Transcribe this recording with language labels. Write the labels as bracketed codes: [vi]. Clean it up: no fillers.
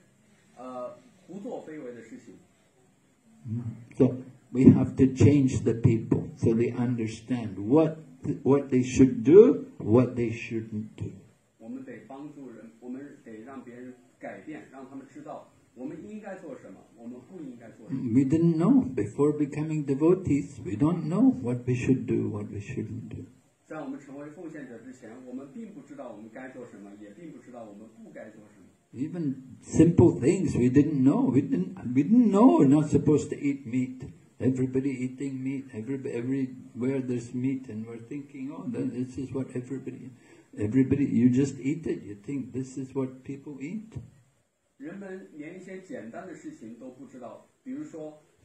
[zh] 我们说不能鱼肉蛋，不能吸食麻醉品，不能赌博，不能过非法性生活，不能做这些胡作非为的事情。 [en] So we have to change the people so they understand what they should do, what they shouldn't do. [zh] 我们得帮助人，我们得让别人改变，让他们知道我们应该做什么，我们不应该做什么。 [en] We didn't know before becoming devotees. We don't know what we should do, what we shouldn't do. [zh] 在我们成为奉献者之前，我们并不知道我们该做什么，也并不知道我们不该做什么。 [en] Even simple things we didn't know. We didn't know we're not supposed to eat meat. Everybody eating meat. Everywhere there's meat, and we're thinking, oh, then this is what everybody. You just eat it. You think this is what people eat. [zh] 人们连一些简单的事情都不知道，比如说。